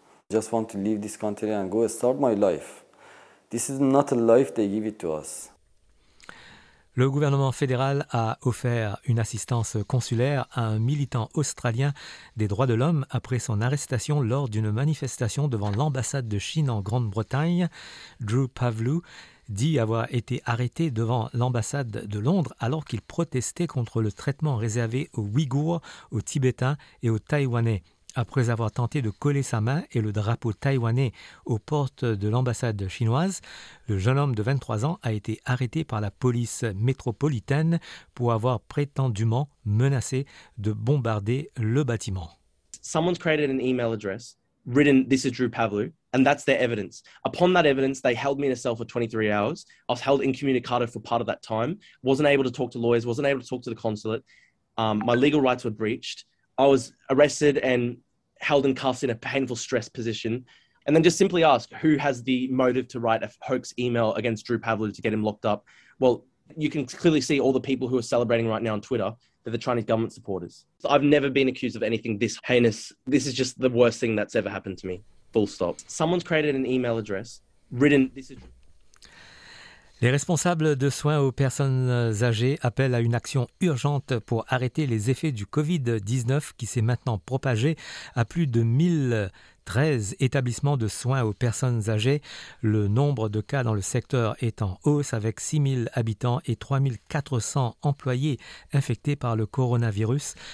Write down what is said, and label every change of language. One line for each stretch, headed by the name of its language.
English: I just want to leave this country and go start my life. This is not a life they give it to us.
French: Le gouvernement fédéral a offert une assistance consulaire à un militant australien des droits de l'homme après son arrestation lors d'une manifestation devant l'ambassade de Chine en Grande-Bretagne. Drew Pavlou dit avoir été arrêté devant l'ambassade de Londres alors qu'il protestait contre le traitement réservé aux Ouïghours, aux Tibétains et aux Taïwanais. Après avoir tenté de coller sa main et le drapeau taïwanais aux portes de l'ambassade chinoise, le jeune homme de 23 ans a été arrêté par la police métropolitaine pour avoir prétendument menacé de bombarder le bâtiment.
English: Someone's created an email address, written "This is Drew Pavlou", and that's their evidence. Upon that evidence, they held me in a cell for 23 hours. I was held incommunicado for part of that time. Wasn't able to talk to lawyers. Wasn't able to talk to the consulate. My legal rights were breached. I was arrested and held in cuffs in a painful stress position. And then just simply ask, who has the motive to write a hoax email against Drew Pavlou to get him locked up? Well, you can clearly see all the people who are celebrating right now on Twitter that they're Chinese government supporters. So I've never been accused of anything this heinous. This is just the worst thing that's ever happened to me. Full stop. Someone's created an email address, written... This is.
French: Les responsables de soins aux personnes âgées appellent à une action urgente pour arrêter les effets du Covid-19 qui s'est maintenant propagé à plus de 1013 établissements de soins aux personnes âgées. Le nombre de cas dans le secteur est en hausse avec 6000 habitants et 3400 employés infectés par le coronavirus.